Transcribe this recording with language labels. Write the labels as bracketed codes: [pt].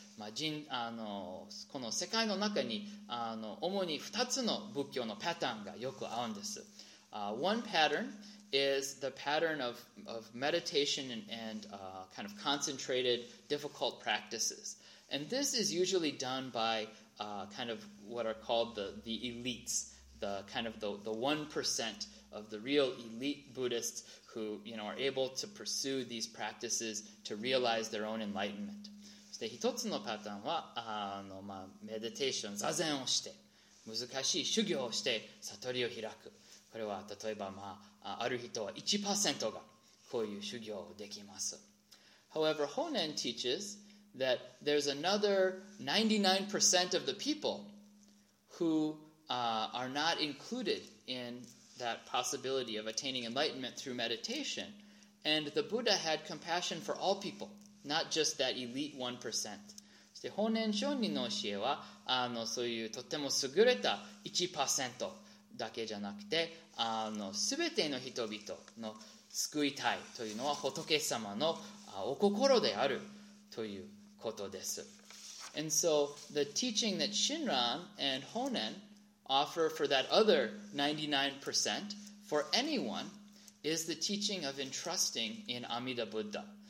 [ja] まあ、この世界の中に主に2つの仏教のパターンがよく合うんです。 [en] One pattern is the pattern of meditation and kind of concentrated difficult practices. And this is usually done by kind of what are called the elites, the kind of the 1% of the real elite Buddhists who, you know, are able to pursue these practices to realize their own enlightenment. [ja] そして一つのパターンは、メディテーション、座禅をして、難しい修行をして悟りを開く。これは例えば、ある人は 1% がこういう修行をできます。 [en] However, Honen teaches that there's another 99% of the people who are not included in that possibility of attaining enlightenment through meditation. And the Buddha had compassion for all people, not just that elite 1%. [ja] そして Honen Shonin の教えは、そういうとても優れた 1%。だけじゃなくて、すべての人々の救いたいというのは仏様のお心であるということです。 [en] And so the teaching that Shinran and Honen offer for that other 99% for anyone is the teaching of entrusting in Amida Buddha.